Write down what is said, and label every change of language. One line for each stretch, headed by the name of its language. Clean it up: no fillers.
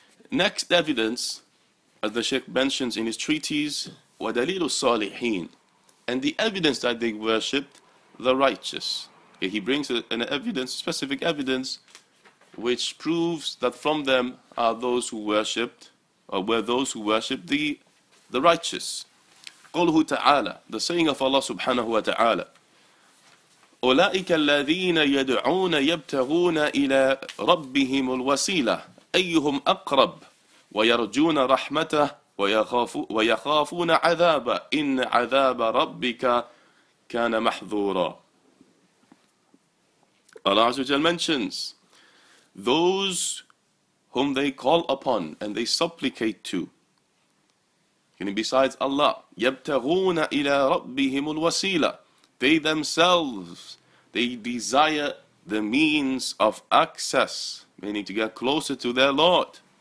English: Next evidence, as the Shaykh mentions in his treatise,
Arabic: وَدَلِيلُ الصَّالِحِينَ,
English: and the evidence that they worshipped the righteous. Okay, he brings an evidence, specific evidence, which proves that from them are those who worshipped, or were those who worshipped the righteous.
Arabic: قَالُهُ تَعَالَى,
English: the saying of Allah subhanahu wa ta'ala,
Arabic: أولئك الذين يدعون يبتغون إلى ربهم الوسيلة أيهم أقرب ويرجون رحمته ويخافون عذاب إن عذاب ربك كان محظورا.
English: Allah Azza wa Jalla mentions, those whom they call upon and they supplicate to, and besides Allah,
Arabic: يبتغون إلى ربهم الوسيلة,
English: they themselves, they desire the means of access, meaning to get closer to their Lord.